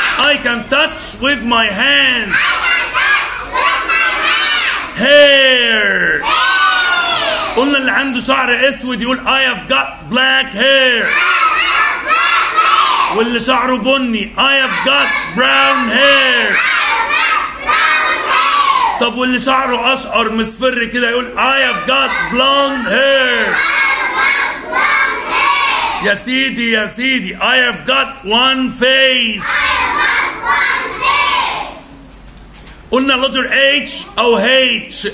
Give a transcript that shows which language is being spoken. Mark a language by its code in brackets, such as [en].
[en] I can touch with my hands. Hair. [ar] قلنا اللي عنده شعر اسود يقول [en] I have got black hair. [ar] واللي شعره بني [en] I have got brown hair. [ar] طب واللي شعره اشقر مصفر كده يقول [en] I have got blonde hair. [ar] يا سيدي يا سيدي. [en] I have got one face. I have [ar] قلنا letter H أو H.